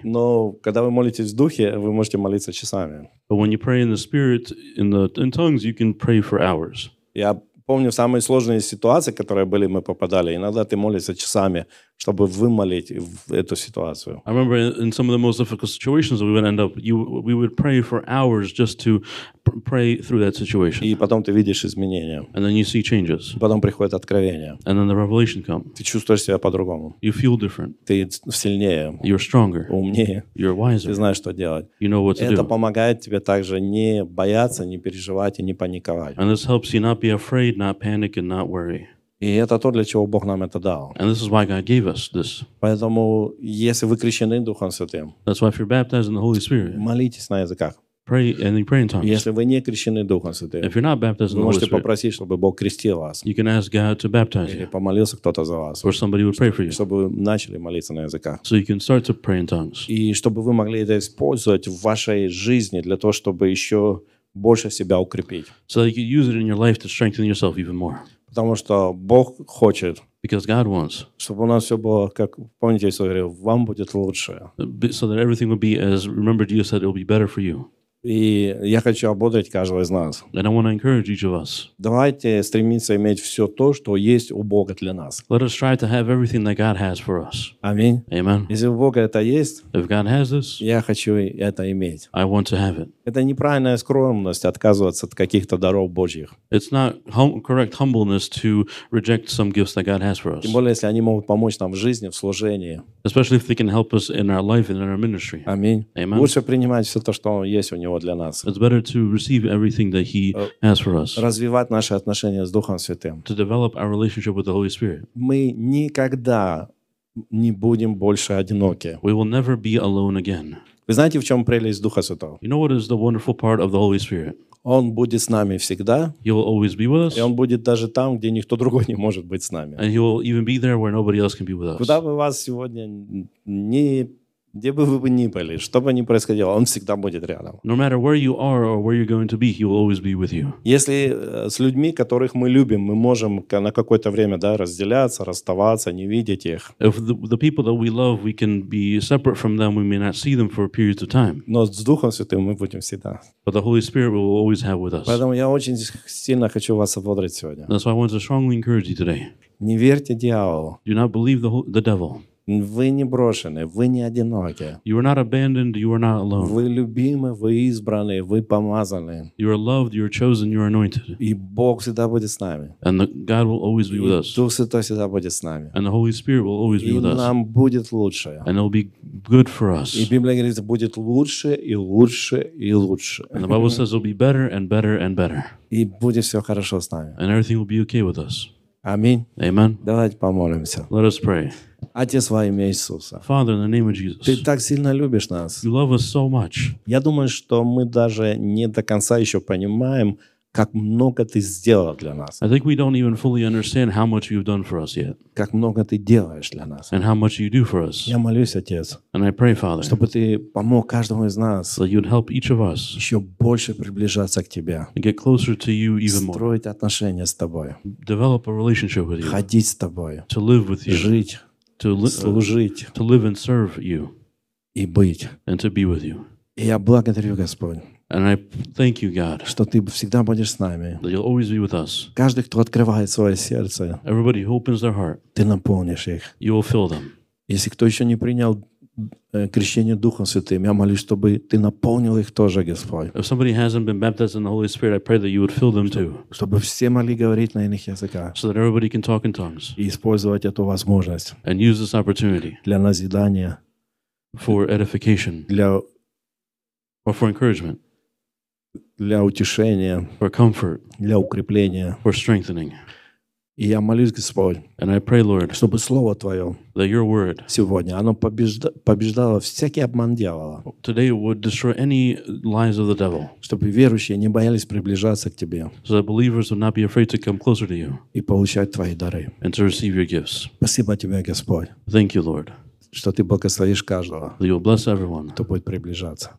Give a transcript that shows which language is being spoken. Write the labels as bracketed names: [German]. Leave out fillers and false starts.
[Russian] Но когда вы молитесь в духе, вы можете молиться часами. [English] But when you pray in the spirit, in tongues, you can pray for hours. [Russian] Я помню самые сложные ситуации, которые были, мы попадали. Иногда ты молишься часами, чтобы вымолить эту ситуацию. [English] I remember in some of the most difficult situations we would end up, we would pray for hours just to pray through that situation. [Russian] И потом ты видишь изменения. [English] And then you see changes. [Russian] Потом приходит откровение. [English] And then the revelation comes. [Russian] Ты чувствуешь себя по-другому. [English] You feel different. [Russian] Ты сильнее. [English] You're stronger. [Russian] Умнее. [English] You're wiser. [Russian] Ты знаешь, что делать. [English] You know what to [Russian] Это [English] do. [Russian] Это помогает тебе также не бояться, не переживать и не паниковать. [English] And this helps you not be afraid, not panic, and not worry. [Russian] И это то, для чего Бог нам это дал. [English] And this is why God gave us this. [Russian] Поэтому, если вы крещены Духом Святым, [English] That's why if you're baptized in the Holy Spirit, [Russian] молитесь на языках. [English] Pray, and you pray in tongues. [Russian] Если вы не крещены Духом Святым, [English] if you're not baptized in the Holy Spirit, [Russian] можете попросить, чтобы Бог крестил вас. [English] You can ask God to baptize you. [Russian] Или помолился кто-то за вас. [English] Or somebody would pray for you. [Russian] Чтобы вы начали молиться на языках. [English] So you can start to pray in tongues. [Russian] И чтобы вы могли это использовать в вашей жизни для того, чтобы еще больше себя укрепить. [English] So that you can use it in your life to strengthen yourself even more. [Russian] Потому что Бог хочет, [English] Because God wants, [Russian] чтобы у нас все было, как помните, я говорил, вам будет лучше. [English] So that everything would be as remembered you said, it will be better for you. [Russian] И я хочу ободрить каждого из нас. [English] And I want to encourage each of us. [Russian] Давайте стремиться иметь все то, что есть у Бога для нас. [English] Let us try to have everything that God has for us. [Russian] Аминь. [English] Amen. [Russian] Если у Бога это есть, [English] If God has this, [Russian] я хочу это иметь. [English] I want to have it. [Russian] Это неправильная скромность отказываться от каких-то даров Божьих. [English] It's not correct humbleness to reject some gifts that God has for us. [Russian] Тем более, если они могут помочь нам в жизни, в служении. [English] Especially if they can help us in our life and in our ministry. [Russian] Аминь. [English] Amen. [Russian] Лучше принимать все то, что есть у него для нас. [English] It's better to receive everything that He has for us. [Russian] Развивать наши отношения с Духом Святым. [English] To develop our relationship with the Holy Spirit. [Russian] Мы никогда не будем больше одиноки. [English] We will never be alone again. [Russian] Вы знаете, в чем прелесть Духа Святого? [English] You know what is the wonderful part of the Holy Spirit? [Russian] Он будет с нами всегда. [English] He will always be with us. [Russian] И он будет даже там, где никто другой не может быть с нами. [English] And he will even be there where nobody else can be with us. [Russian] Куда бы вас сегодня ни где бы вы ни были, что бы ни происходило, он всегда будет рядом. [English] No matter where you are or where you're going to be, he will always be with you. [Russian] Если с людьми, которых мы любим, мы можем на какое-то время, да, разделяться, расставаться, не видеть их. [English] If the people that we love, we can be separate from them, we may not see them for a period of time. [Russian] Но с Духом Святым мы будем всегда. [English] But the Holy Spirit will always have with us. [Russian] Поэтому я очень сильно хочу вас ободрить сегодня. [English] That's why I want to strongly encourage you today. [Russian] Не верьте дьяволу. [English] Do not believe the devil. [Russian] Вы не брошены, вы не одиноки. [English] You are not abandoned, you are not alone. [Russian] Вы любимы, вы избраны, вы помазаны. [English] You are loved, you are chosen, you are anointed. [Russian] И Бог всегда будет с нами. [English] And God will always be with us. [Russian] Дух Святой всегда будет с нами. [English] And the Holy Spirit will always be with us. [Russian] И нам будет лучше. [English] And it will be good for us. [Russian] И Библия говорит, будет лучше и лучше и лучше. [English] And the Bible says it will be better and better and better. [Russian] И будет все хорошо с нами. [English] And everything will be okay with us. [Russian] Аминь. [English] Amen. [Russian] Давайте помолимся. [English] Let us pray. [Russian] Отец во имя Иисуса. [English] Father, in the name of Jesus. [Russian] Ты так сильно любишь нас. [English] You love us so much. [Russian] Я думаю, что мы даже не до конца еще понимаем, как много ты сделал для нас. [English] I think we don't even fully understand how much you've done for us yet. [Russian] Как много ты делаешь для нас. [English] And how much you do for us. [Russian] Я молюсь, Отец. [English] And I pray, Father. [Russian] Чтобы ты помог каждому из нас. [English] So you'd help each of us. [Russian] Еще больше приближаться к тебе. [English] Get closer to you even more. [Russian] Строить отношения с тобой. [English] Develop a relationship with you. [Russian] Ходить с тобой. [English] To live with you. [Russian] Жить. Служить. [English] To live and serve you. [Russian] И быть. [English] And to be with you. [Russian] И я благодарю Господь. [English] And I thank you, God, [Russian] что ты всегда будешь с нами. [English] That you'll always be with us. [Russian] Каждый, кто открывает свое сердце, [English] Everybody who opens their heart, [Russian] ты наполнишь их. [English] You will fill them. [Russian] Если кто еще не принял крещение Духом Святым, я молюсь, чтобы ты наполнил их тоже, Господь. [English] If somebody hasn't been baptized in the Holy Spirit, I pray that you would fill them too. [Russian] Чтобы все могли говорить на иных языках. [English] So that everybody can talk in tongues. [Russian] И использовать эту возможность. [English] And use this opportunity. [Russian] Для назидания. [English] For edification. [Russian] Для... [English] Or for encouragement. [Russian] Для утешения. [English] For comfort. [Russian] Для укрепления. [English] For strengthening. [Russian] И я молюсь, Господь, [English] And I pray, Lord, [Russian] чтобы Слово Твое сегодня, оно побеждало всякий обман дьявола. [English] Today would destroy any lies of the devil. [Russian] Чтобы верующие не боялись приближаться к Тебе. [English] So that believers would not be afraid to come closer to You. [Russian] И получать Твои дары. [English] And to receive Your gifts. [Russian] Спасибо Тебе, Господь. [English] Thank You, Lord. [Russian] что ты благословишь каждого, [English] you'll bless everyone, [Russian] кто будет приближаться,